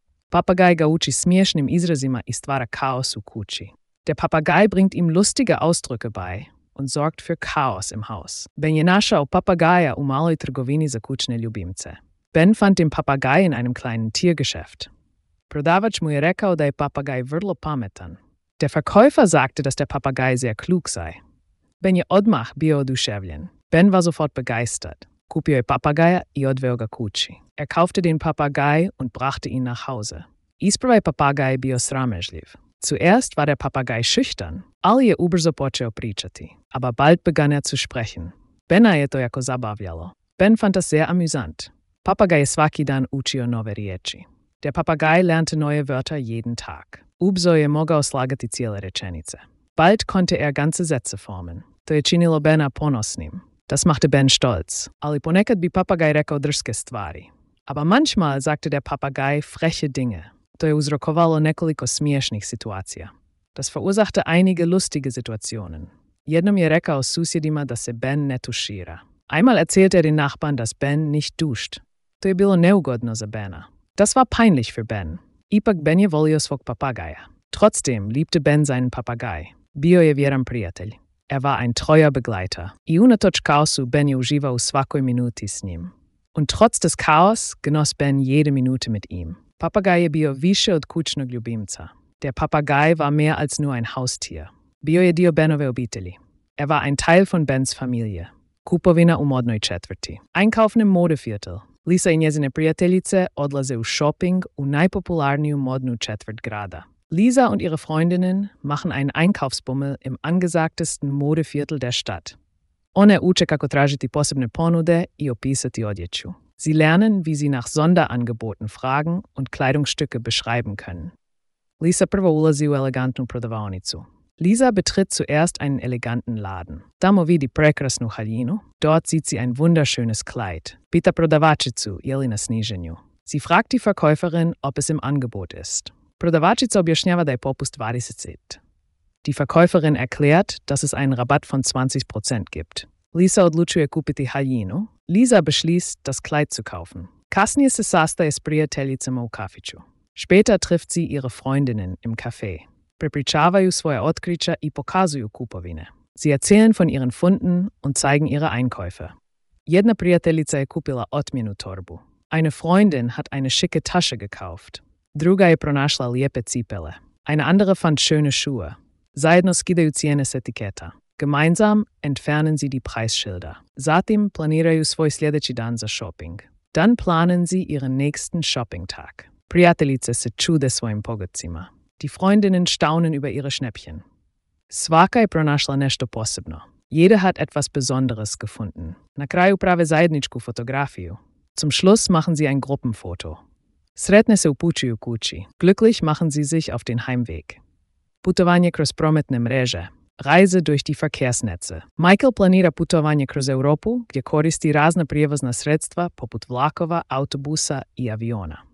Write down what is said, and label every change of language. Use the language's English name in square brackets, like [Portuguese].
[Croatian] Papagei ga uči smiješnim izrazima i stvara kaos u kući. [German] Der Papagei bringt ihm lustige Ausdrücke bei und sorgt für Chaos im Haus. [Croatian] Ben je našao papagaja u maloj trgovini za kućne ljubimce. [German] Ben fand den Papagei in einem kleinen Tiergeschäft. [Croatian] Prodavač mu je rekao da je papagaj vrlo pametan. [German] Der Verkäufer sagte, dass der Papagei sehr klug sei. [Croatian] Ben je odmah bio oduševljen. [German] Ben war sofort begeistert. [Croatian] Kupio je papagaja i odveo ga kući. [German] Er kaufte den Papagei und brachte ihn nach Hause. [Croatian] Isprva je papagaj bio sramežljiv. [German] Zuerst war der Papagei schüchtern. [Croatian] Ali je ubrzo počeo pričati. [German] Aber bald begann er zu sprechen. [Croatian] Bena je to jako zabavljalo. [German] Ben fand das sehr amüsant. [Croatian] Papagaj je svaki dan učio nove riječi. [German] Der Papagei lernte neue Wörter jeden Tag. [Croatian] Ubzo je mogao slagati cijele rečenice. [German] Bald konnte er ganze Sätze formen. [Croatian] To je činilo Bena ponosnim. [German] Das machte Ben stolz. [Croatian] Ali ponekad bi papagaj rekao drske stvari. [German] Aber manchmal sagte der Papagei freche Dinge. [Croatian] To je uzrokovalo nekoliko smiješnih situacija. [German] Das verursachte einige lustige Situationen. [Croatian] Jednom je rekao susjedima da se Ben ne tušira. [German] Einmal erzählte er den Nachbarn, dass Ben nicht duscht. [Croatian] To je bilo neugodno za Bena. [German] Das war peinlich für Ben. [Croatian] Ipak Ben je volio svog papagaja. [German] Trotzdem liebte Ben seinen Papagei. [Croatian] Bio je vjeran prijatelj. [German] Er war ein treuer Begleiter. [Croatian] I unatoč kaosu Ben je uživa u svakoj minuti s njim. [German] Und trotz des Chaos genoss Ben jede Minute mit ihm. [Croatian] Papagaj je bio više od kućnog ljubimca. [German] Der Papagei war mehr als nur ein Haustier. [Croatian] Bio je dio Benove obitelji. [German] Er war ein Teil von Bens Familie. [Croatian] Kupovina u modnoj četvrti. [German] Einkaufen im Modeviertel. [Croatian] Lisa i njezine prijateljice odlaze u shopping u najpopularniju modnu četvrt grada. [German] Lisa und ihre Freundinnen machen einen Einkaufsbummel im angesagtesten Modeviertel der Stadt. [Croatian] One uče kako tražiti posebne ponude i opisati odjeću. [German] Sie lernen, wie sie nach Sonderangeboten fragen und Kleidungsstücke beschreiben können. [Croatian] Lisa prvo ulazi u elegantnu prodavaonicu. [German] Lisa betritt zuerst einen eleganten Laden. [Croatian] Tamo vidi prekrasnu haljinu. [German] Dort sieht sie ein wunderschönes Kleid. [Croatian] Pita prodavačicu, jelina sniženju. [German] Sie fragt die Verkäuferin, ob es im Angebot ist. [Croatian] Prodavačica objašnjava da je popust 20%. [German] Die Verkäuferin erklärt, dass es einen Rabatt von 20% gibt. [Croatian] Lisa odlučuje kupiti haljinu. [German] Lisa beschließt, das Kleid zu kaufen. [Croatian] Kasnije se sastaje s prijateljicama u kafiću. [German] Später trifft sie ihre Freundinnen im Café. [Croatian] Prepričavaju svoje otkrića i pokazuju kupovine. [German] Sie erzählen von ihren Funden und zeigen ihre Einkäufe. [Croatian] Jedna prijateljica je kupila otmjenu torbu. [German] Eine Freundin hat eine schicke Tasche gekauft. [Croatian] Druga je pronašla lijepe cipele. [German] Eine andere fand schöne Schuhe. [Croatian] Zajedno skidaju cijene s etiketa. [German] Gemeinsam entfernen sie die Preisschilder. [Croatian] Zatim planiraju svoj sljedeći dan za shopping. [German] Dann planen sie ihren nächsten Shoppingtag. [Croatian] Prijateljice se čude svojim pogodcima. [German] Die Freundinnen staunen über ihre Schnäppchen. [Croatian] Svaka je pronašla nešto posebno. [German] Jede hat etwas Besonderes gefunden. [Croatian] Na kraju prave zajedničku fotografiju. [German] Zum Schluss machen sie ein Gruppenfoto. [Croatian] Sretne se u puči u kući. [German] Glücklich machen sie sich auf den Heimweg. [Croatian] Putovanje kroz prometne mreže. [German] Reise durch die Verkehrsnetze. [Croatian] Michael planira putovanje kroz Europu, gdje koristi razne prijevozna sredstva poput vlakova, autobusa i aviona.